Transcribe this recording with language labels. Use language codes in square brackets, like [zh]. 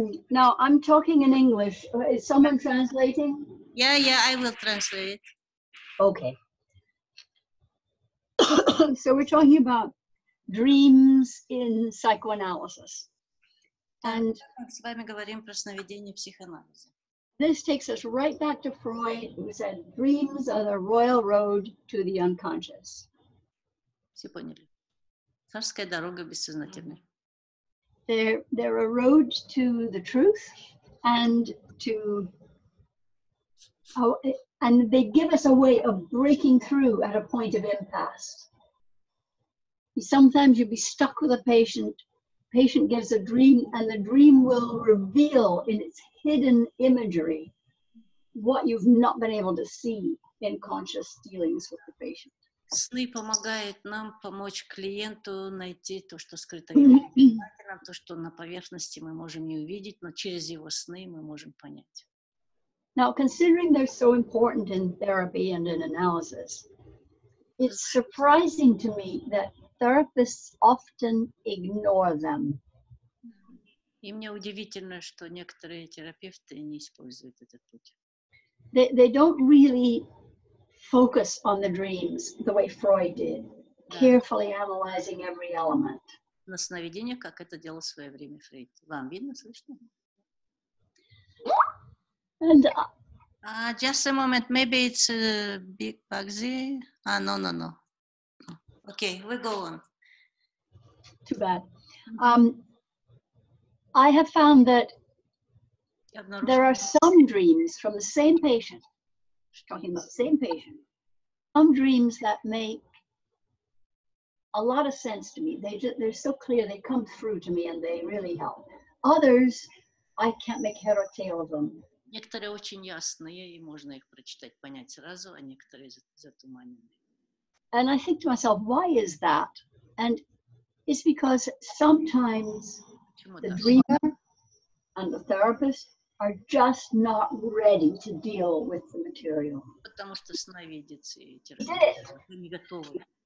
[en] Now I'm talking in English. Is someone translating? Yeah, I will translate. Okay. So we're talking about dreams in psychoanalysis. And [ru] с вами говорим про сновидения психоанализа. [en] This takes us right back to Freud, who said dreams are the royal road to the unconscious. [ru] Все поняли. Царская дорога бессознательной. [en] They're a road to the truth and to and they give us a way of breaking through at a point of impasse. Sometimes you'll be stuck with a patient. Patient gives a dream, and the dream will reveal in its hidden imagery what you've not been able to see in conscious dealings with the patient. [ru] Сны помогают нам помочь клиенту найти то, что скрыто, то, что на поверхности мы можем не увидеть, но через его сны мы можем понять. [en] Now, considering they're so important in therapy and in analysis, it's surprising to me that therapists often ignore them. [ru] И мне удивительно, что некоторые терапевты не используют этот путь. [en] They don't really focus on the dreams the way Freud did, carefully analyzing every element. [ru] На сновидения, как это делал в свое время Фрейд. Вам видно, слышно? [en] And just a moment, maybe it's a big bugsy. No. Okay, we go on. Too bad. I have found that there are some dreams from the same patient, talking about the same patient, some dreams that make a lot of sense to me. They're so clear, they come through to me and they really help. Others, I can't make head or tail of them. [ru] Некоторые очень ясные, и можно их прочитать, понять сразу, а некоторые затуманены. [en] And I think to myself, why is that? And it's because sometimes the dreamer and the therapist are just not ready to deal with the material. [ru] Потому что сновидец и терапевт не готовы.